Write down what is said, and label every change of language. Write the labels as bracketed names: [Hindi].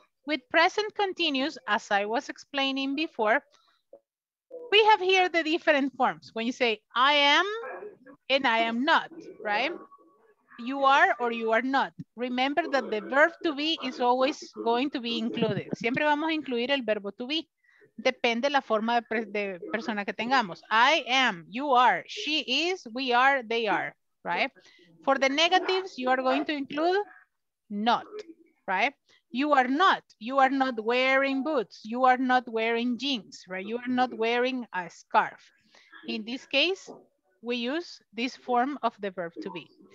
[English] With present continuous, as I was explaining before, we have here the different forms. When you say, I am and I am not, right? You are or you are not. Remember that the verb to be is always going to be included. [Spanish] Siempre vamos a incluir el verbo to be. Depende la forma de persona que tengamos. [English] I am, you are, she is, we are, they are, right? For the negatives, you are going to include not, right? You are not wearing boots, you are not wearing jeans, right? You are not wearing a scarf. In this case, we use this form of the verb to be.